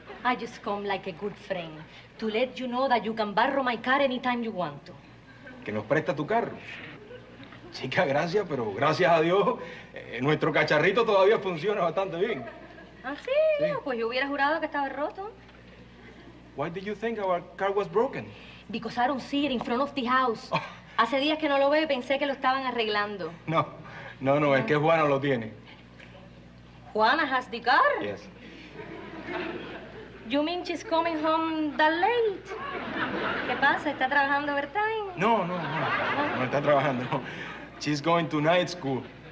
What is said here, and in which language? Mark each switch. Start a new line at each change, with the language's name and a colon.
English: I just come like a good friend to let you know that you can borrow my car anytime you want to.
Spanish: ¿Que nos presta tu carro? Chica, gracias, pero gracias a Dios, nuestro cacharrito todavía funciona bastante bien. ¿Ah, sí? Pues yo hubiera jurado que estaba roto.
English: Why did you think our car was broken? Because I don't see it in front of the house.
Spanish: Hace días que no lo veo y pensé que lo estaban arreglando. No, es que Juana lo tiene.
English: Juana has the car? Yes. You mean she's coming home that late?
Spanish: ¿Qué pasa? ¿Está trabajando overtime? No, está trabajando.
English: She's going to night school.